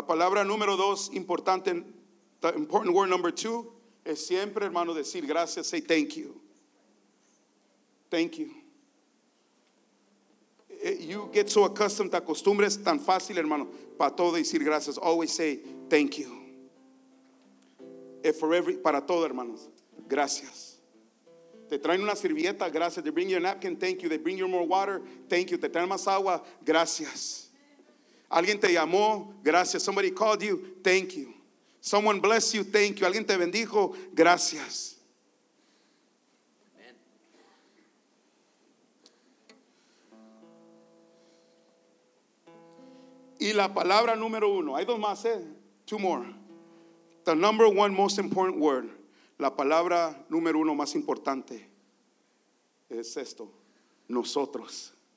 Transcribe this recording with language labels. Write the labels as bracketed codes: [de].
[es] La palabra número dos importante, [en] the important word number two, [es] es siempre, hermano, decir gracias, [en] say thank you. Thank you. You get so accustomed, [es] te acostumbres tan fácil, hermano, para todo decir gracias. [en] Always say thank you. And for every, [es] para todo, hermanos, gracias. Te traen una servilleta, gracias. [en] They bring you a napkin, thank you. They bring you more water, thank you. [es] Te traen más agua, gracias. Alguien te llamó, gracias. [en] Somebody called you, thank you. Someone blessed you, thank you. [es] Alguien te bendijo, gracias. Amen. Y la palabra número uno, hay dos más, [en] two more. The number one most important word, [es] la palabra número uno más importante es esto, nosotros.